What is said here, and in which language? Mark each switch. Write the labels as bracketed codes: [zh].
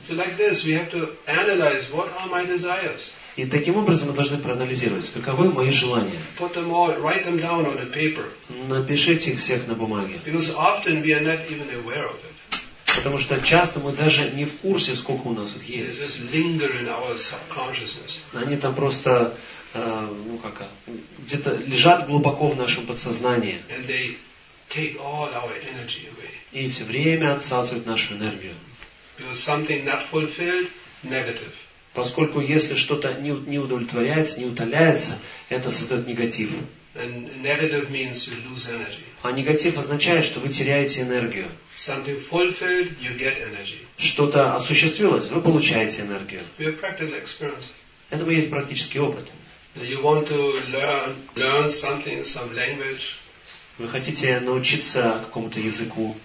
[en] So like this, we have to analyze what are my desires. [ru] И таким образом мы должны проанализировать, каковы мои желания. [en] Put them all, write them down on a paper. [ru] Напишите их всех на бумаге. [en] Because often we are not even aware of it. [ru] Потому что часто мы даже не в курсе, сколько у нас их есть. [en] They just linger in our subconsciousness. [ru] Они там просто, ну как, где-то лежат глубоко в нашем подсознании. [en] And they take all our energy away. [ru] И все время отсасывают нашу энергию. [en] Because something not fulfilled, negative. [ru] Поскольку если что-то не удовлетворяется, не утоляется, это создает негатив. [en] And negative means you lose energy. [ru] А негатив означает, что вы теряете энергию. [en] Something fulfilled, you get energy. [ru] Что-то осуществилось, вы получаете энергию. [en] We have practical experience. [ru] Это мы есть практический опыт. [en] You want to learn something, some language. [ru] Вы хотите научиться какому-то языку,